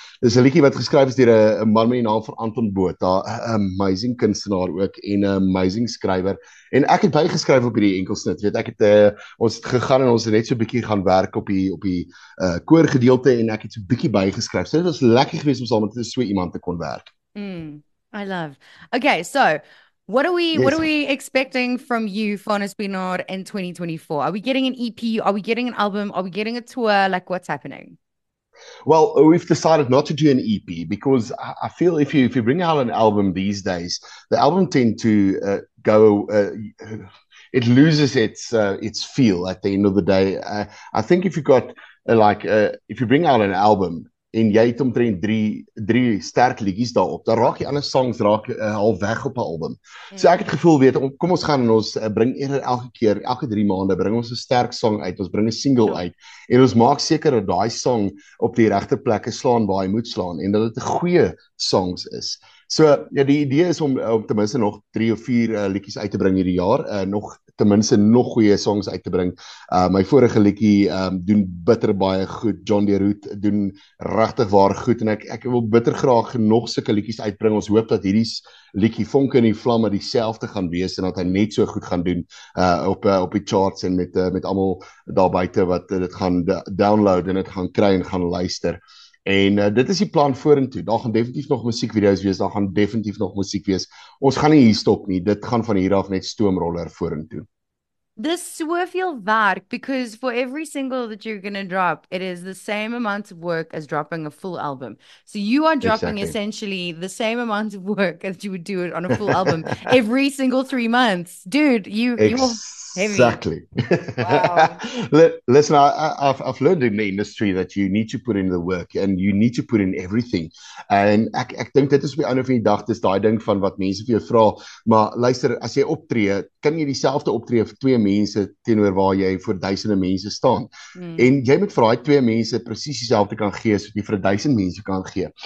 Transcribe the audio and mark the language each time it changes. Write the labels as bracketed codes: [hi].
[af] Dis 'n liedjie wat geskryf is deur 'n man met die naam van Anton Botha, 'n amazing kunstenaar ook en 'n amazing skrywer. En ek het bygeskryf op hierdie enkelsnit, weet ek het ons het gegaan en ons het net so 'n bietjie gaan werk op die koorgedeelte en ek het so 'n bietjie bygeskryf. So dit was lekker geweest om saam met so iemand te kon werk. [en] I love. Okay, so Yes. what are we expecting from you, Fanus Pienaar, in 2024? Are we getting an EP? Are we getting an album? Are we getting a tour? Like, what's happening? Well, we've decided not to do an EP because I feel if you bring out an album these days, the album tend to go. It loses its feel at the end of the day. I think if you've got like if you bring out an album. [af] En jy het omtrent 3 sterk liedjies daarop. Dan raak die ander songs raak al weg op 'n album. So ek het gevoel weet kom ons gaan ons bring eerder elke 3 maande bring ons 'n sterk song uit. Ons bring 'n single uit en ons maak seker dat daai song op die regte plekke slaan waar hy moet slaan en dat dit 'n goeie songs is. So ja, die idee is om ten minste nog 3 of 4 liedjies uit te bring hierdie jaar, nog ten minste nog goeie songs uit te bring. My vorige liedjie doen bitter baie goed. John Deroot doen regtig waar goed en ek wil bitter graag nog sulke liedjies uitbring. Ons hoop dat hierdie liedjie Vonke in die Vlamme dieselfde gaan wees en dat hy net so goed gaan doen op die charts en met almal daar buite wat dit gaan download en dit gaan kry en gaan luister. En dit is die plan vorentoe. Daar gaan definitief nog musiekvideo's wees, daar gaan definitief nog musiek wees. Ons gaan nie hier stop nie. Dit gaan van hier af net stoomroller vorentoe. [en] There's soveel werk because for every single that you're gonna drop, it is the same amount of work as dropping a full album. So you are dropping Exactly. essentially the same amount of work as you would do it on a full album every single 3 months. Dude, you're heavy. Exactly. Wow. Listen, I've learned in the industry that you need to put in the work and you need to put in everything. [af] En ek dink dit is op die einde van die dag, dis daai ding van wat mense vir jou vra, maar luister, as jy optree, kan jy dieselfde optree vir twee mense teenoor waar jy voor duisende mense staan. En jy moet vir daai twee mense presies dieselfde kan gee as wat jy vir 1000 mense kan gee.